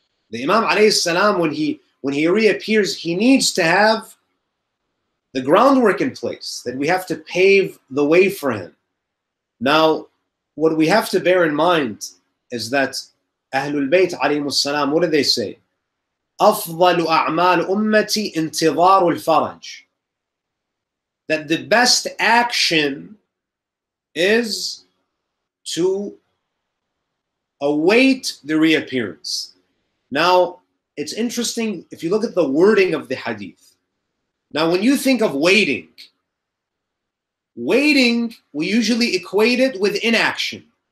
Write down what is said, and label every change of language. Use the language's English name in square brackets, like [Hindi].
[English] The Imam alayhi salam, when he reappears, he needs to have the groundwork in place, that we have to pave the way for him. Now, what we have to bear in mind is that Ahlul Bayt alayhimus salam, what do they say? [Arabic] أفضل أعمال أمتي انتظار الفرج. [English] That the best action is to await the reappearance. Now, it's interesting if you look at the wording of the hadith. Now, when you think of waiting, waiting, we usually equate it with inaction.